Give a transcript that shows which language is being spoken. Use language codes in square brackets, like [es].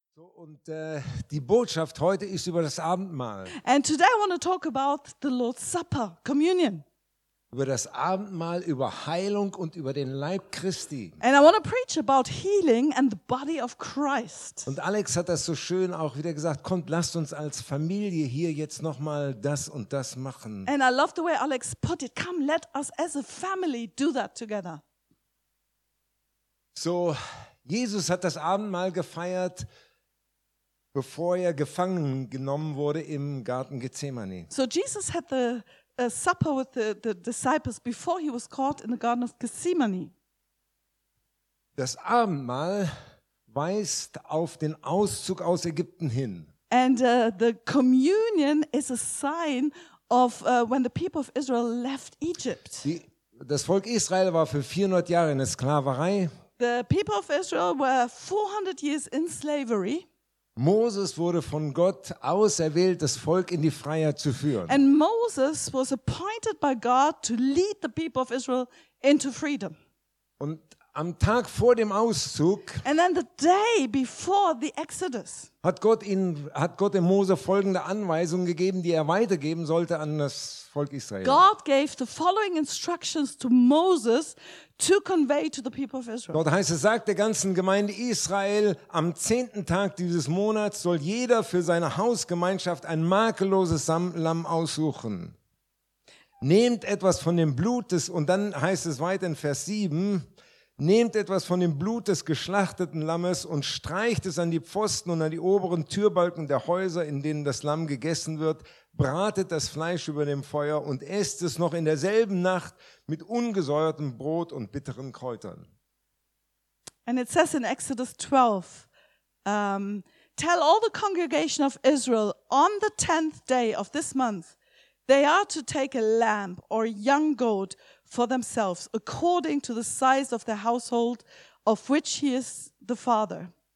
[de] So, und die Botschaft heute ist über das Abendmahl. [en] And today I want to talk about the Lord's Supper, communion. [de] Über das Abendmahl, über Heilung und über den Leib Christi. [en] And I want to preach about healing and the body of Christ. [de] Und Alex hat das so schön auch wieder gesagt, kommt, lasst uns als Familie hier jetzt nochmal das und das machen. [en] And I love the way Alex put it, come, let us as a family do that together. [de] So, Jesus hat das Abendmahl gefeiert, bevor er gefangen genommen wurde im Garten Gethsemane. [en] So Jesus had the supper with the disciples before he was caught in the Garden of Gethsemane. [de] Das Abendmahl weist auf den Auszug aus Ägypten hin. [en] And the communion is a sign of when the people of Israel left Egypt. [de] Das Volk Israel war für 400 Jahre in der Sklaverei. [en] The people of Israel were 400 years in slavery. [de] Moses wurde von Gott auserwählt, das Volk in die Freiheit zu führen. [en] And Moses was appointed by God to lead the people of Israel into freedom. [de] Und am Tag vor dem Auszug, [en] and then the day before the Exodus, [de] hat Gott dem Mose folgende Anweisung gegeben, die er weitergeben sollte an das Volk Israel. [en] God gave the following instructions to Moses to convey to the people of Israel. [de] Dort heißt es, sagt der ganzen Gemeinde Israel, am 10. Tag dieses Monats soll jeder für seine Hausgemeinschaft ein makelloses Lamm aussuchen. Nehmt etwas von dem Blut des, und dann heißt es weiter in Vers 7, nehmt etwas von dem Blut des geschlachteten Lammes und streicht es an die Pfosten und an die oberen Türbalken der Häuser, in denen das Lamm gegessen wird, bratet das Fleisch über dem Feuer und esst es noch in derselben Nacht mit ungesäuertem Brot und bitteren Kräutern. [en] And it says in Exodus 12, tell all the congregation of Israel, on the 10th day of this month, they are to take a lamb or young goat for themselves, according to the size of the household of which he is the father.